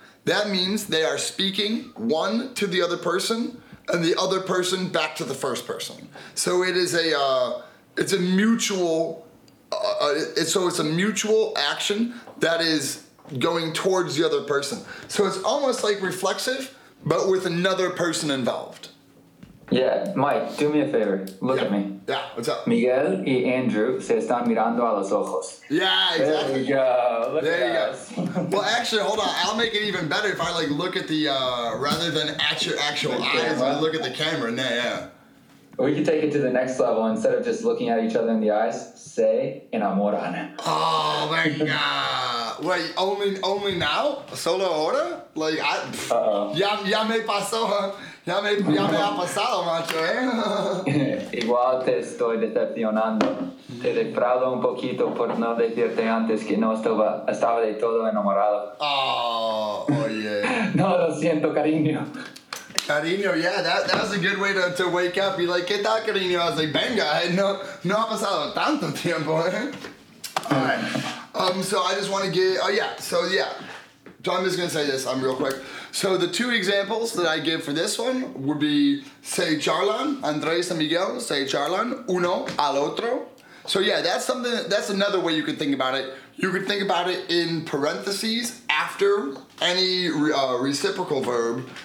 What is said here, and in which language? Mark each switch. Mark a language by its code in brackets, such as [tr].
[en] That means they are speaking one to the other person and the other person back to the first person. So it is a mutual action that is going towards the other person. So it's almost like reflexive, but with another person involved. Yeah, Mike, do me a favor. Look at me. Yeah, what's up? [es] Miguel y Andrew se están mirando a los ojos. [en] Yeah, exactly. There we go. Look at us. Well, actually, hold on. I'll make it even better if I, like, look at the, rather than at your actual eyes, I look at the camera. Yeah. We can take it to the next level. Instead of just looking at each other in the eyes, [es] se enamoran. [en] Oh, my God. Wait, only now? [es] Solo ahora? [en] Like, I... Uh-oh. [es] Ya me pasó, huh? Ya me ha pasado, macho, ¿eh? Igual te estoy decepcionando. Te defraudo un poquito por no decirte antes que no estaba de todo enamorado. Oh, oye. No, lo siento, cariño. [en] Cariño, yeah, that was a good way to wake up. Be like, [es] ¿qué tal, cariño? [en] I was like, [es] venga, no ha pasado tanto tiempo, ¿eh? [en] Alright. So I'm just going to say this, I'm real quick. So the two examples that I give for this one would be se charlan, Andres and Miguel, [es] se charlan uno al otro. [en] So yeah, that's another way you could think about it. You could think about it in parentheses after any reciprocal verb.